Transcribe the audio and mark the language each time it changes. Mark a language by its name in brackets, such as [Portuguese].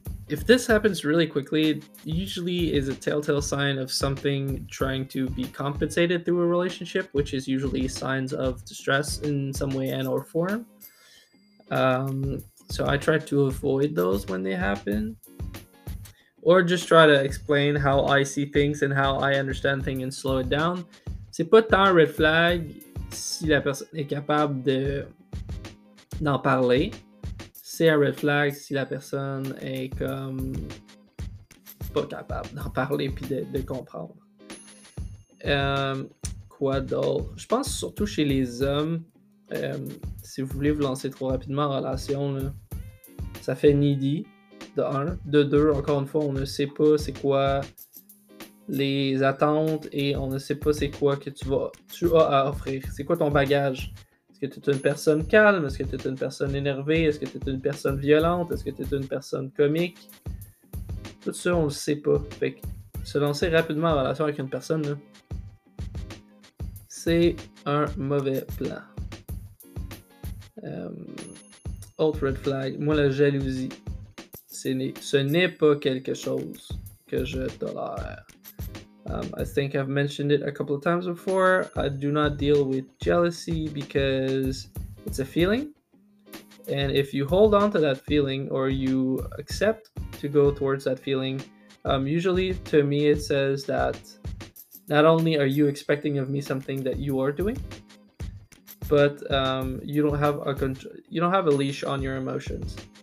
[English] If this happens really quickly, it usually is a telltale sign of something trying to be compensated through a relationship, which is usually signs of distress in some way and or form. So I try to avoid those when they happen. Or just try to explain how I see things and how I understand things and slow it down. [French] C'est pas tant un red flag si la personne est capable de, d'en parler. C'est un red flag si la personne est comme pas capable d'en parler puis de comprendre. Quoi d'autre? Je pense surtout chez les hommes, si vous voulez vous lancer trop rapidement en relation, là, ça fait needy. De un, de deux, encore une fois, on ne sait pas c'est quoi les attentes et on ne sait pas c'est quoi que tu as à offrir. C'est quoi ton bagage? Est-ce que tu es une personne calme? Est-ce que tu es une personne énervée? Est-ce que tu es une personne violente? Est-ce que tu es une personne comique? Tout ça, on ne le sait pas. Fait que se lancer rapidement en relation avec une personne, là, c'est un mauvais plan. Autre red flag, moi la jalousie. Ce n'est pas quelque chose que je tolère. [English] I think I've mentioned it a couple of times before. I do not deal with jealousy because it's a feeling. And if you hold on to that feeling or you accept to go towards that feeling, usually to me it says that not only are you expecting of me something that you are doing, but you don't have a leash on your emotions.